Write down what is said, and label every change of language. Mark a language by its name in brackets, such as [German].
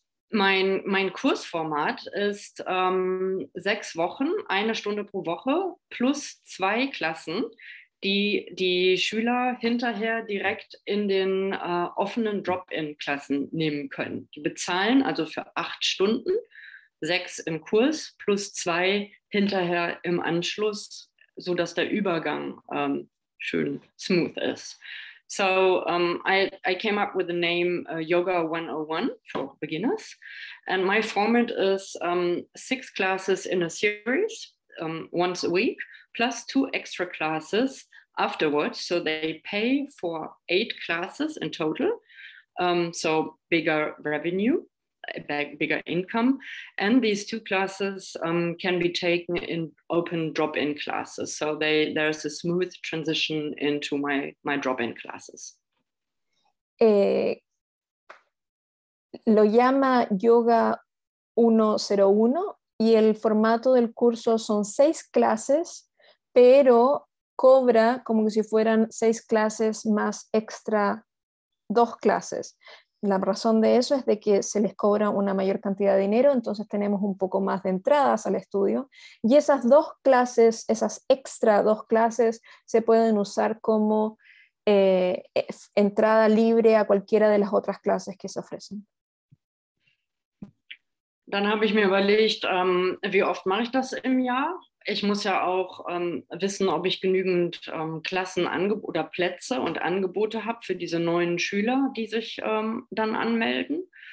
[German] Mein Kursformat ist 6 Wochen, 1 Stunde pro Woche plus 2 Klassen, die Schüler hinterher direkt in den offenen Drop-in-Klassen nehmen können. Die bezahlen also für 8 Stunden, 6 im Kurs plus 2 hinterher im Anschluss, sodass der Übergang schön smooth ist. [English] So I came up with the name Yoga 101 for beginners, and my format is 6 classes in a series once a week plus 2 extra classes afterwards, so they pay for 8 classes in total, so bigger revenue, bigger income, and these 2 classes can be taken in open drop-in classes, so there's a smooth transition into my drop-in classes. [Spanish] Lo llama Yoga 101 y el formato del curso son 6 clases, pero cobra como si fueran 6 clases más extra 2 clases. La razón de eso es de que se les cobra una mayor cantidad de dinero, entonces tenemos un poco más de entradas al estudio. Y esas 2 clases, esas extra 2 clases, se pueden usar como entrada libre a cualquiera de las otras clases que se ofrecen. [German] Dann habe ich mir überlegt, wie oft mache ich das im Jahr? Ich muss ja auch wissen, ob ich genügend Klassen oder Plätze und Angebote habe für diese neuen Schüler, die sich dann anmelden.